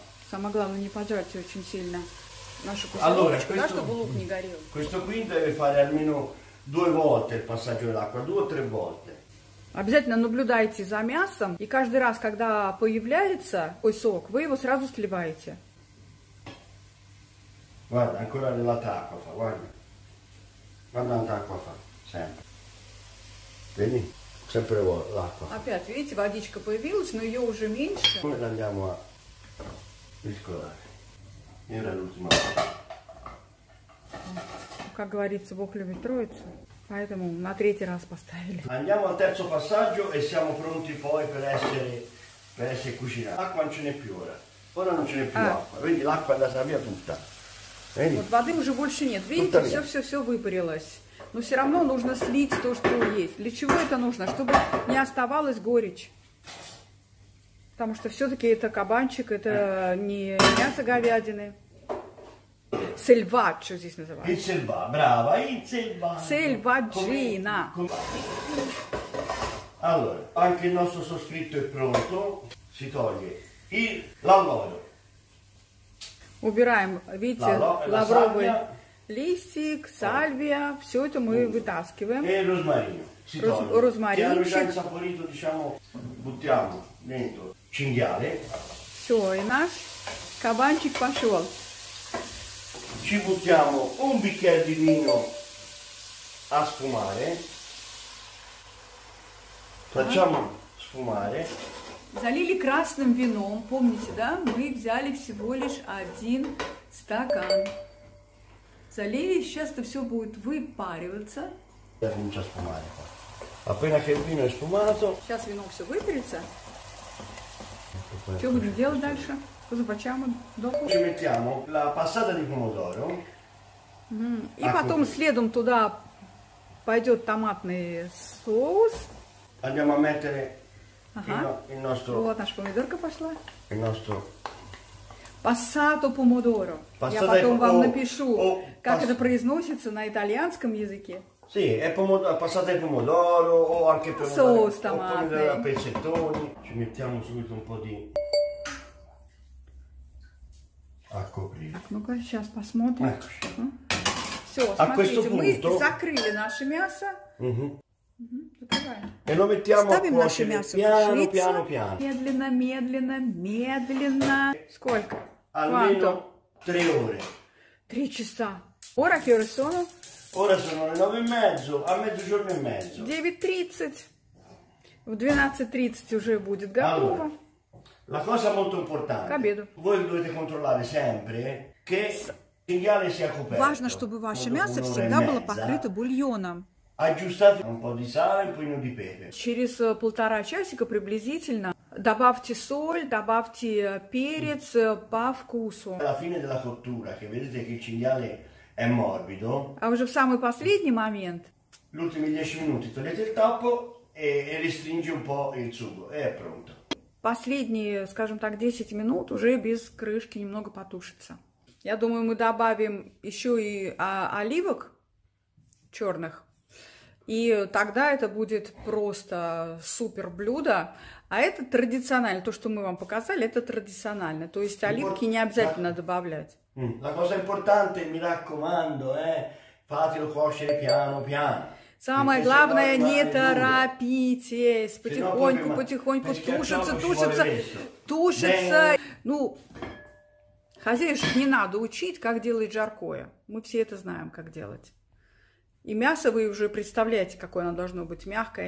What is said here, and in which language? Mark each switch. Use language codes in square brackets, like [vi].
[ru] Самое главное не пожарьте очень сильно нашу кусочку, да, чтобы лук не горел. [it] Questo qui deve fare almeno due volte il passaggio dell'acqua, due o tre volte. [ru] Обязательно наблюдайте за мясом и каждый раз, когда появляется такой сок, вы его сразу сливаете. [it] Guarda, ancora dell'altra acqua fa, guarda. Guarda quanta acqua fa, sempre. Vedi? Sempre l'acqua. [ru] Опять, видите, водичка появилась, но ее уже меньше. [it] Poi andiamo a riscolare. Era l'ultima. [ru] Как говорится, Бог любит Троицу, поэтому на третий раз поставили. [it] Andiamo al terzo passaggio e siamo pronti poi per essere per essere cucinato. L'acqua non ce n'è più ora. Ora non ce n'è più acqua, quindi l'acqua è andata via tutta. Vedi? [ru] Вот воды уже больше нет. Видите, все выпарилось. Но все равно нужно слить то, что есть. Для чего это нужно? Чтобы не оставалось горечь. Потому что все-таки это кабанчик, это не мясо говядины. Сельвадж, что здесь называется? И сельва, браво, и сельва. Сельваджина. [it] Allora, anche il nostro soffritto è pronto. Si toglie l'alloro. [ru] Убираем, видите, лавровый листик, сальвия, все это мы вытаскиваем. И розмарин. Розмаринчик. Я розмарин, [it] diciamo, buttiamo dentro cinghiale. [ru] Все, и наш кабанчик пошел. [it] Ci buttiamo un bicchiere di vino a sfumare. Facciamo sfumare. [ru] Залили красным вином, помните, да? Мы взяли всего лишь один стакан. Залили, сейчас это все будет выпариваться. Я сейчас вспомнил. [it] Appena che il vino è sfumato. [ru] Сейчас вино все выпарится. Что будем делать дальше? [it] Cosa facciamo dopo? Ci mettiamo la passata di pomodoro. [ru] И потом следом туда пойдет томатный соус. [it] Andiamo a mettere. Ага. [ru] Вот наша помидорка пошла. [it] Il nostro... Passato pomodoro. [ru] Passata... Я потом вам напишу, как это произносится на итальянском языке. [it] Sì, è pomodoro, passata di pomodoro o anche pomodoro. [ru] Соус томатный. Помидоры, пецеттони. [it] Ci mettiamo subito un po' di... A coprire. [ru] Так, ну-ка, сейчас посмотрим. [it] Ecco. [ru] Все, смотрите, мы закрыли наше мясо. [it] E lo mettiamo a piano, piano, piano. [ru] Медленно, медленно, медленно. Сколько? [it] Almeno 3 ore. [ru] 3 часа. [it] Ora che ore sono? Ora sono le 9:30, a mezzogiorno e mezzo. [ru] 9:30. В 12:30 уже будет готово. [it] Allora, la cosa molto importante. Voi dovete controllare sempre che il cinghiale sia coperto. [ru] Важно, чтобы ваше мясо всегда было покрыто бульоном. [it] Aggiustate un po' di sale, un pochino di pepe. [ru] Через полтора часика приблизительно добавьте соль, добавьте перец по вкусу. [it] Alla fine della cottura, che vedete che il cinghiale è morbido. [ru] А уже в самый последний момент. [it] L'ultimi 10 minuti togliete il tappo e restringi un po' il sugo. E è pronto. [ru] Последние, скажем так, 10 минут уже без крышки немного потушится. Я думаю, мы добавим еще и оливок черных. И тогда это будет просто супер блюдо. А это традиционально. То, что мы вам показали, это традиционально. То есть оливки не обязательно добавлять. [it] La cosa importante, mi raccomando, fatelo cuocere piano piano. [ru] Самое главное, не торопитесь. Потихоньку, потихоньку тушится, тушится, тушится. Ну, хозяюшек не надо учить, как делать жаркое. Мы все это знаем, как делать. И мясо вы уже представляете, какое оно должно быть мягкое.